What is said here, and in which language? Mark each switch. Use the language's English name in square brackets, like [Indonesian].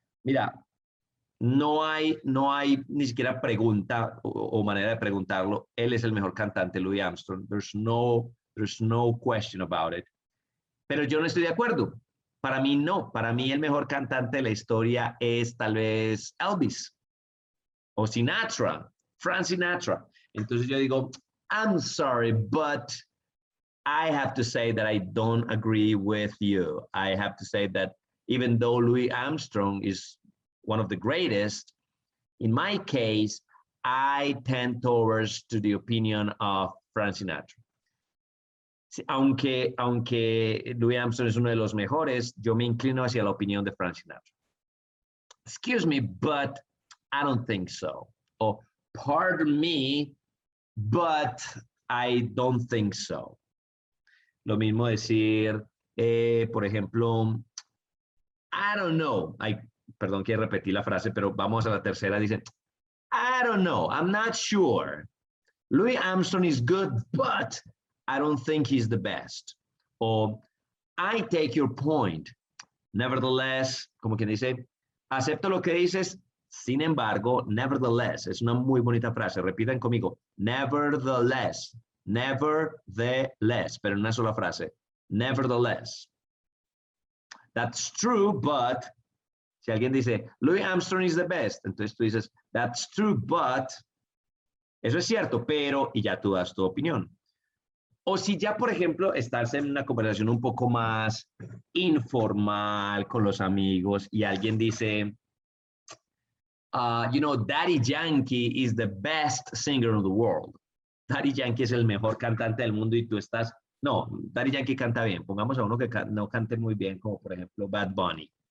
[Spanish] Mira, no hay ni siquiera pregunta o manera de preguntarlo. Él es el mejor cantante, Louis Armstrong. [English] There's no question about it. [Spanish] Pero yo no estoy de acuerdo. Para mí no. Para mí el mejor cantante de la historia es tal vez Elvis. O Sinatra, Frank Sinatra. Entonces yo digo, [English] I'm sorry, but I have to say that I don't agree with you. I have to say that even though Louis Armstrong is one of the greatest, in my case, I tend towards to the opinion of Frank Sinatra. [Spanish] Aunque Louis Armstrong es uno de los mejores, yo me inclino hacia la opinión de Frank Sinatra. [English] Excuse me, but I don't think so. Oh, pardon me, but I don't think so. [Spanish] Lo mismo decir, por ejemplo, [English] I don't know. [Spanish] Perdón que repetí la frase, pero vamos a la tercera. [English] Dicen, I don't know. I'm not sure. Louis Armstrong is good, but I don't think he's the best. [Spanish] O [English] I take your point. Nevertheless, [Spanish] como quien dice, acepto lo que dices. Sin embargo, nevertheless, es una muy bonita frase. Repitan conmigo. Nevertheless. Nevertheless. Pero en una sola frase. Nevertheless. [English] That's true, but... [Spanish] Si alguien dice, [English] Louis Armstrong is the best. [Spanish] Entonces tú dices, [English] that's true, but... [Spanish] Eso es cierto, pero... Y ya tú das tu opinión. O si ya, por ejemplo, estás en una conversación un poco más informal con los amigos y alguien dice... [English] Daddy Yankee is the best singer in the world. [Spanish] Daddy Yankee es el mejor cantante del mundo y tú estás... No, Daddy Yankee canta bien. Pongamos a uno que no cante muy bien, como por ejemplo Bad Bunny.